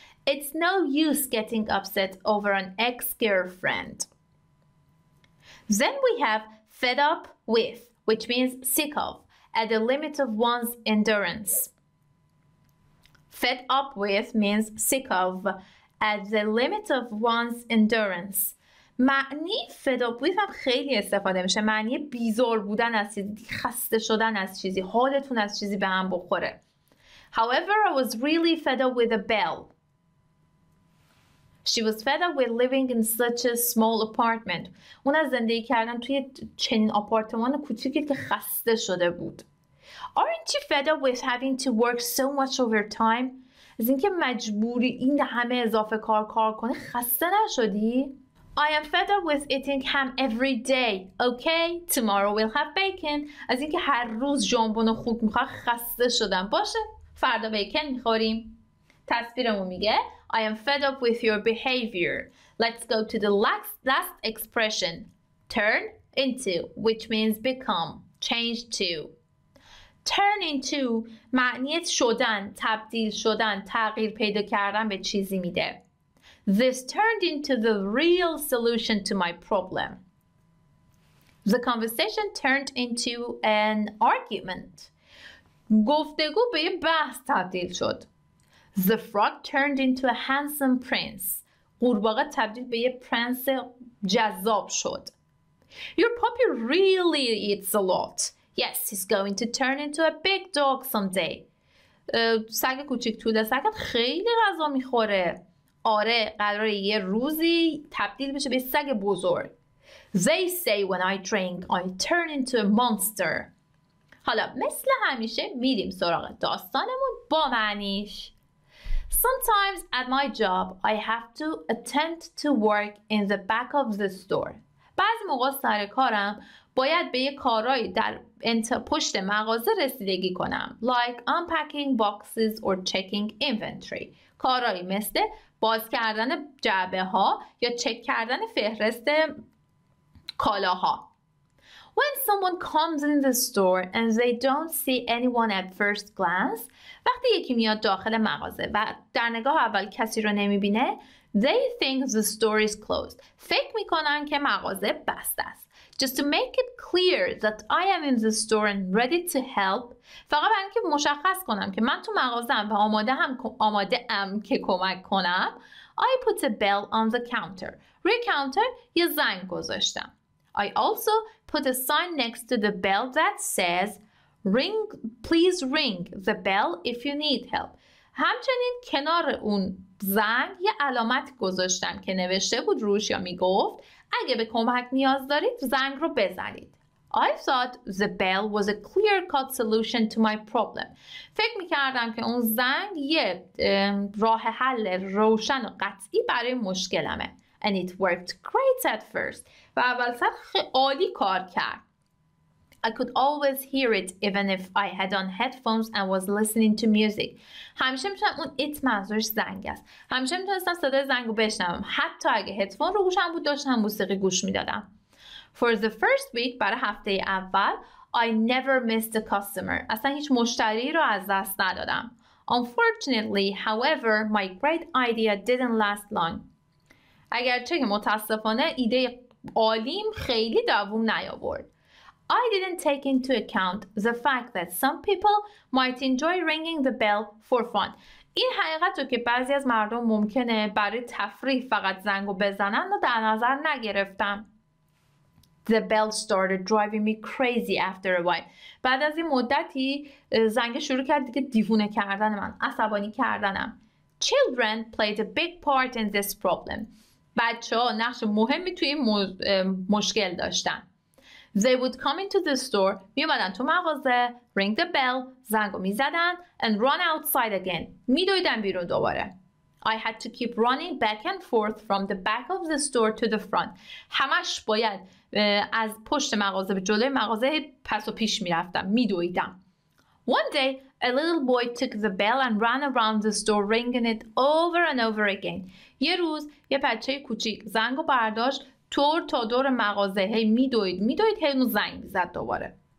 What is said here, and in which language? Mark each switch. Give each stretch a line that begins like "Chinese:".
English: It's no use getting upset over an ex-girlfriend. Then we have fed up with, which means sick of, at the limit of one's endurance. Fed up with means sick of, at the limit of one's endurance.
Persian: معنی fed up with هم خیلی استفاده میشه. معنی بیزار بودن از چیزی، خسته شدن از چیزی، حالتون از چیزی به هم بخوره.
English: However, I was really fed up with a bell. She was fed up with living in such a small apartment.
Persian: اون از زندگی کردن توی چنین آپارتمان کوچیکی که خسته شده بود.
English: Aren't you fed up with having to work so much overtime?
Persian: از اینکه مجبوری این همه اضافه کار کنی خسته نشدی؟
English: I am fed up with eating ham every day. Okay, tomorrow we'll have bacon.
Persian: از اینکه هر روز ژامبون خوک می‌خوام خسته شدم. باشه، فردا بیکن می‌خوریم. تصویرمون میگه
English: I am fed up with your behavior. Let's go to the last expression. Turn into, which means become, change to.
Persian: Turn into معنی شدن، تبدیل شدن، تغییر پیدا کردن به چیزی میده.
English: This turned into the real solution to my problem. The conversation turned into an argument.
Persian: گفتگو به یه بحث تبدیل شد.
English: The frog turned into a handsome prince.
Persian: قورباغه تبدیل به یه پرنس جذاب شد.
English: Your puppy really eats a lot. Yes, he's going to turn into a big dog someday.
Persian: سگ کوچیک توله سگت خیلی غذا میخوره. آره، قراره یه روزی تبدیل بشه به سگ بزرگ.
English: They say when I drink, I turn into a monster.
Persian: حالا مثل همیشه میریم سراغ داستانمون با معنیش.
English: Sometimes at my job, I have to attend to work in the back of the store.
Persian: بعض موقع سر کارم باید به یه کارهای در پشت مغازه رسیدگی کنم.
English: Like unpacking boxes or checking inventory.
Persian: کارهایی مثل باز کردن جعبه ها یا چک کردن فهرست کالاها.
English: When someone comes in the store and they don't see anyone at first glance,
Persian: وقتی یکی میاد داخل مغازه و در نگاه اول کسی رو نمیبینه,
English: they think the store is closed.
Persian: فکر میکنن که مغازه بسته است.
English: Just to make it clear that I am in the store and ready to help,
Persian: فقط برای اینکه مشخص کنم که من تو مغازه‌ام و آماده‌ام که کمک کنم,
English: I put a bell on the counter.
Persian: روی کانتر یه زنگ گذاشتم.
English: I also put a sign next to the bell that says, "Ring, please ring the bell if you need help."
Persian: همچنین کنار اون زنگ یه علامت گذاشتم که نوشته بود روش یا میگفت اگه به کمک نیاز دارید زنگ رو بزنید.
English: I thought the bell was a clear-cut solution to my problem.
Persian: فکر میکردم که اون زنگ یه راه حل روشن و قطعی برای مشکلمه.
English: And it worked great at first.
Persian: و اول سر خیلی کار کرد.
English: I could always hear it even if I had on headphones and was listening to music.
Persian: همیشه میتونم اون it منظورش زنگ است. همیشه میتونستم صدای زنگ رو بشنوم. حتی اگه هدفون رو گوشم بود داشتم موسیقی گوش میدادم.
English: For the first week,
Persian: برای هفته اول,
English: I never missed a customer.
Persian: اصلا هیچ مشتری رو از دست ندادم.
English: Unfortunately, however, my great idea didn't last long.
Persian: اگرچه که متاسفانه ایده عالیم خیلی دوام نیاورد.
English: I didn't take into account the fact that some people might enjoy ringing the bell for fun.
Persian: این حقیقت رو که بعضی از مردم ممکنه برای تفریح فقط زنگو بزنن رو در نظر نگرفتم.
English: The bell started driving me crazy after a while.
Persian: بعد از این مدتی زنگ شروع کرد که دیوونه کردن من، عصبانی کردنم.
English: Children played a big part in this problem.
Persian: بچه ها نقش مهمی توی این مشکل داشتن.
English: They would come into the store,
Persian: می اومدن تو مغازه,
English: ring the bell,
Persian: زنگو می زدن,
English: and run outside again.
Persian: می دویدن بیرون دوباره.
English: I had to keep running back and forth from the back of the store to the front.
Persian: همش باید از پشت مغازه به جلوی مغازه پس و پیش می رفتم, می دویدم.
English: One day, a little boy took the bell and ran around the store ringing it over and over again.
Persian: یه روز یه بچه کوچیک زنگو برداشت طور تا دور مغازه هی میدوید هی اون زنگ زد دوباره.